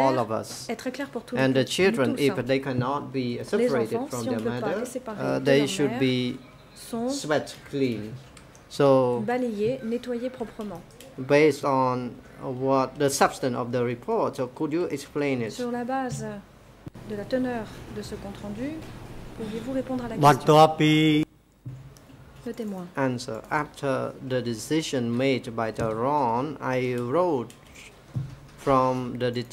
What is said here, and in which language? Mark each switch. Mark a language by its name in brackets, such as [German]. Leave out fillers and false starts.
[English] all of us. And the children, if they cannot be separated [French] enfants, [English] from their mother, they should be swept clean. So, [French] balayer, nettoyer proprement. [English] Based on what the substance of the report, so could you explain it? [French] Sur la base de la teneur de ce compte rendu, pourriez-vous répondre à la question? [English] Answer. After the decision made by the Ron, I wrote from the